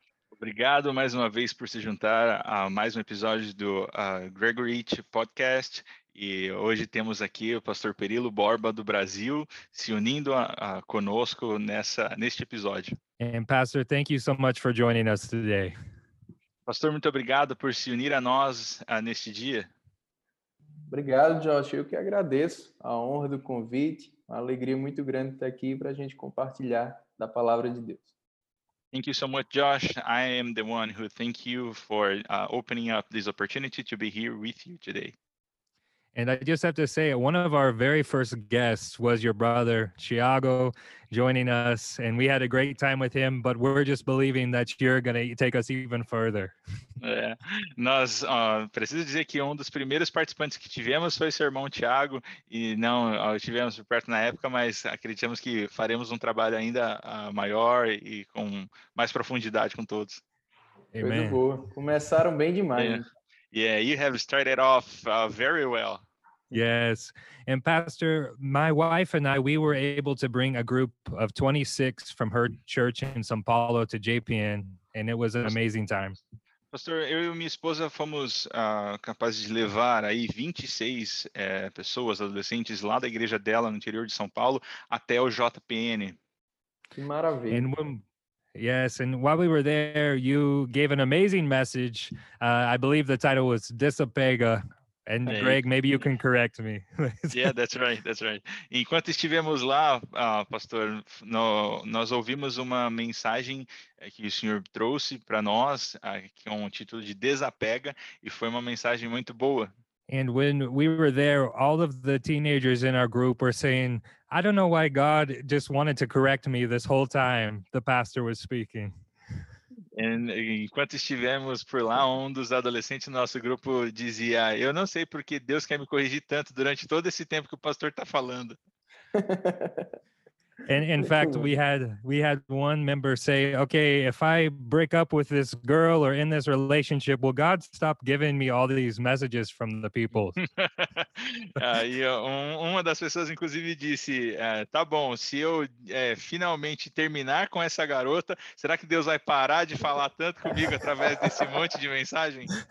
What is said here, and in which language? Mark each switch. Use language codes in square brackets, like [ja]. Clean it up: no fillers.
[pt] Obrigado mais uma vez por se juntar a mais episódio do Greg Rich podcast. E hoje temos aqui o Pastor Perilo Borba do Brasil se unindo a conosco neste episódio. [en] And Pastor, thank you so much for joining us today. [pt] Pastor, muito obrigado por se unir a nós neste dia. Obrigado, Josh. Eu que agradeço a honra do convite. Uma alegria muito grande estar aqui para a gente compartilhar da palavra de Deus. [en] Thank you so much, Josh. I am the one who thank you for opening up this opportunity to be here with you today. And I just have to say, one of our very first guests was your brother, Thiago, joining us. And we had a great time with him, but we're just believing that you're going to take us even further. [pt] Nós, preciso dizer que um dos primeiros participantes que tivemos foi seu irmão Thiago. E não, tivemos perto na época, mas acreditamos que faremos trabalho ainda maior e com mais profundidade com todos. Amen. Foi do boa. Começaram bem demais. [en] Yeah, you have started off very well. Yes. And Pastor, my wife and I, we were able to bring a group of 26 from her church in São Paulo to JPN, and it was an amazing time. [pt] Pastor, eu e minha esposa fomos capazes de levar aí 26 pessoas, adolescentes, lá da igreja dela, no interior de São Paulo, até o JPN. Que maravilha. [en] And yes, and while we were there, you gave an amazing message. I believe the title was Desapega. And Greg, maybe you can correct me. Yeah, that's right, that's right. [pt] Enquanto estivemos lá, pastor, nós ouvimos uma mensagem que o senhor trouxe para nós, com o título de Desapega, e foi uma mensagem muito boa. [en] And when we were there, all of the teenagers in our group were saying, I don't know why God just wanted to correct me this whole time the pastor was speaking. [pt] And enquanto estivemos por lá, dos adolescentes do nosso grupo dizia, eu não sei porque Deus quer me corrigir tanto durante todo esse tempo que o pastor está falando. [en] And in fact, we had one member say, okay, if I break up with this girl or in this relationship, will God stop giving me all these messages from the people? [pt] uma das pessoas, inclusive, disse, tá bom, se eu finalmente terminar com essa garota, será que Deus vai parar de falar tanto comigo através desse monte de mensagem?